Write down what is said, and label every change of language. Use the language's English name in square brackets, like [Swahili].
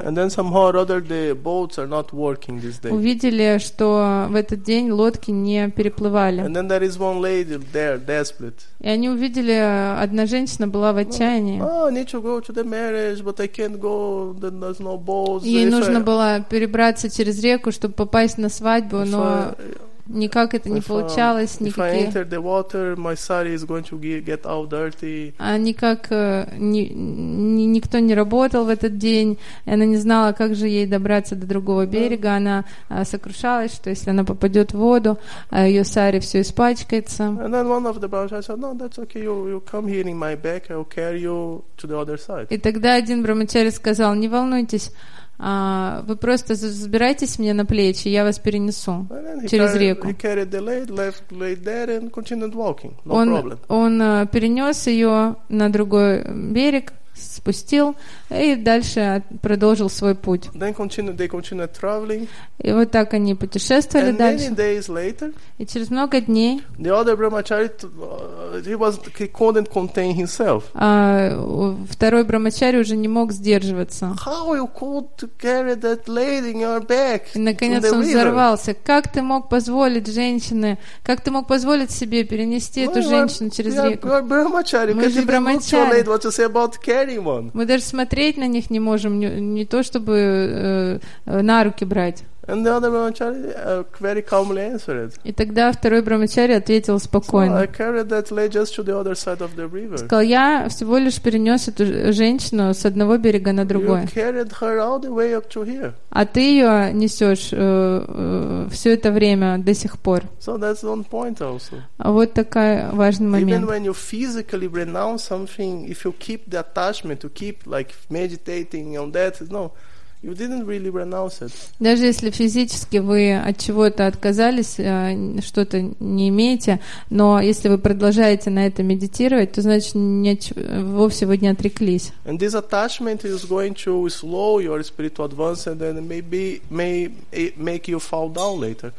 [English] and then somehow or other the boats are not working this day. [Russian] Увидели, что в этот день лодки не переплывали. [English] And then there is one lady there, desperate. [Russian] И они увидели, одна женщина была в отчаянии. [English] Oh, I need to go to the marriage, but I can't go. Then there's no boats. [Russian] Ей нужно было перебраться через реку, чтобы попасть на свадьбу, но никак это не получалось, никакие. [English] If I enter the water, my sari is going to get all dirty. [Russian] А никак никто не работал в этот день, она не знала, как же ей добраться до другого берега, она сокрушалась, что если она попадет в воду, ее сари все испачкается. [English] And then one of the brahmachari said, no, that's okay, you come here in my back, I'll carry you to the other side. [Russian] И тогда один брахмачари сказал, не волнуйтесь, вы просто забирайтесь мне на плечи, я вас перенесу через реку. Он перенес ее на другой берег, спустил и дальше продолжил свой путь. [English] They continue traveling. [Russian] И вот так они путешествовали [English] and [Russian] дальше. [English] Many days later, [Russian] и через много дней [English] the other brahmachari, he couldn't contain himself. [Russian] Второй брахмачари уже не мог сдерживаться. [English] How you could carry that lady in your back? [Russian] И наконец он взорвался. Как ты мог позволить женщине, как ты мог позволить себе перенести эту женщину через реку? [English] You are brahmachari. [Russian] Мы же брахмачари. [English] What you say about carrying one? [Russian] Мы даже смотреть на них не можем, не то чтобы на руки брать. [English] And the other brahmachari very calmly answered. [Russian] И тогда второй брахмачари ответил спокойно. [English] So I carried that lady just to the other side of the river. [Russian] Сказал, я всего лишь перенес эту женщину с одного берега на другой. [English] You carried her all the way up to here. [Russian] А ты ее несешь все это время до сих пор. [English] So that's one point also. [Russian] А вот такой важный момент. [English] Even when you physically renounce something, if you keep the attachment, you keep like meditating on that, no. You didn't really renounce it. [Russian] Даже если физически вы от чего-то отказались, что-то не имеете, но если вы продолжаете на это медитировать, то значит вовсе вы не отреклись. [English] And this attachment is going to slow your spiritual advance and then maybe may make you fall down later.